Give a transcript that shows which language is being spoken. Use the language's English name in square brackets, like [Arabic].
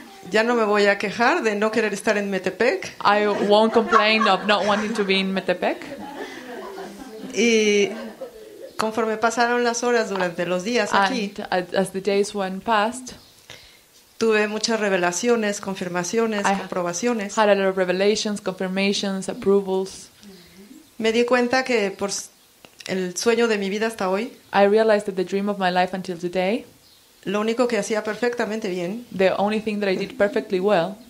[Spanish] Ya no me voy a quejar de no querer estar en Metepec. [English] I won't complain of not wanting to be in Metepec. [Spanish] Y conforme pasaron las horas durante los días aquí, [English] as the days went past, [Spanish] tuve muchas revelaciones, confirmaciones, comprobaciones. [English] Had a lot of revelations, confirmations, approvals. [Spanish] Me di cuenta que por el sueño de mi vida hasta hoy, [English] I realized that the dream of my life until today, [Spanish] lo único que hacía perfectamente bien, [English] the only thing that I did perfectly well,